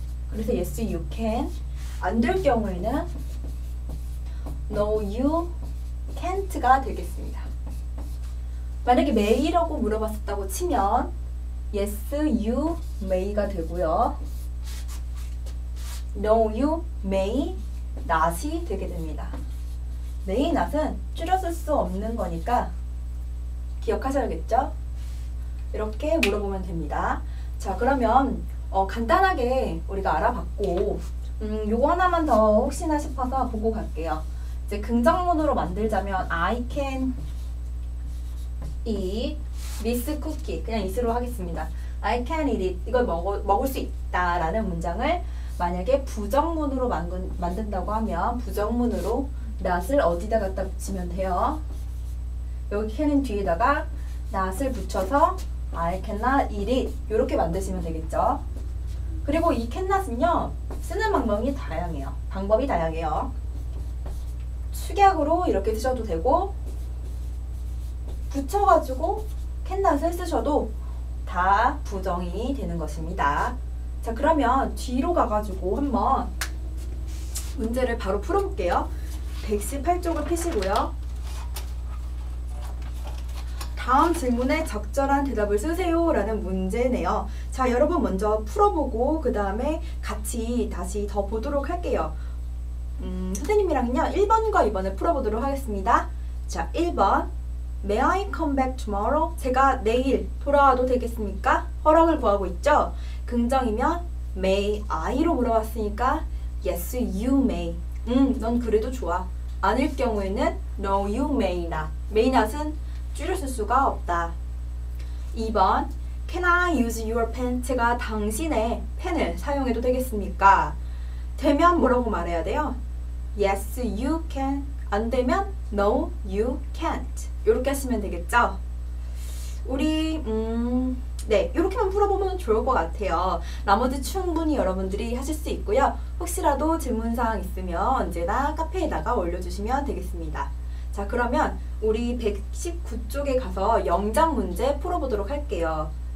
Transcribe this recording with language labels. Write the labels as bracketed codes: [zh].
[ko] 그래서 [en] yes you can, [ko] 안 될 경우에는 [en] no you can't [ko] 가 되겠습니다. 만약에 may라고 물어봤었다고 치면 [en] yes you may [ko] 가 되고요. [en] no you may not이 [ko] 되게 됩니다. may not은 줄여 쓸 수 없는 거니까 기억하셔야겠죠? 이렇게 물어보면 됩니다. 자, 그러면 간단하게 우리가 알아봤고 요거 하나만 더 혹시나 싶어서 보고 갈게요. 이제 긍정문으로 만들자면 [en] I can eat this cookie. [ko] 그냥 it으로 하겠습니다. [en] I can eat it. [ko] 이걸 먹을 수 있다라는 문장을 만약에 부정문으로 만든다고 하면 부정문으로 not을 어디다 갖다 붙이면 돼요. 여기 can은 뒤에다가 not을 붙여서 [en] I cannot eat it. [ko] 이렇게 만드시면 되겠죠. 그리고 이 cannot은요, 쓰는 방법이 다양해요. 방법이 다양해요. 축약으로 이렇게 쓰셔도 되고, 붙여가지고 cannot을 쓰셔도 다 부정이 되는 것입니다. 자, 그러면 뒤로 가가지고 한번 문제를 바로 풀어볼게요. 118쪽을 펴시고요. 다음 질문에 적절한 대답을 쓰세요 라는 문제네요. 자, 여러분 먼저 풀어보고 그 다음에 같이 다시 더 보도록 할게요. 선생님이랑요 1번과 2번을 풀어보도록 하겠습니다. [en] 자, 1번 May I come back tomorrow? [ko] 제가 내일 돌아와도 되겠습니까? 허락을 구하고 있죠? 긍정이면 May I로 물어봤으니까 [en] Yes, you may. [ko] 넌 그래도 좋아. 아닐 경우에는 [en] No, you may not. [ko] May not은 줄여 쓸 수가 없다. [en] 2번 Can I use your pen? [ko] 제가 당신의 펜을 사용해도 되겠습니까? 되면 뭐라고 말해야 돼요? [en] Yes, you can. [ko] 안 되면 [en] No, you can't. [ko] 이렇게 하시면 되겠죠? 우리 네, 이렇게만 풀어보면 좋을 것 같아요. 나머지 충분히 여러분들이 하실 수 있고요. 혹시라도 질문사항 있으면 언제나 카페에다가 올려주시면 되겠습니다. 자, 그러면 우리 119쪽에 가서 영장 문제 풀어보도록 할게요.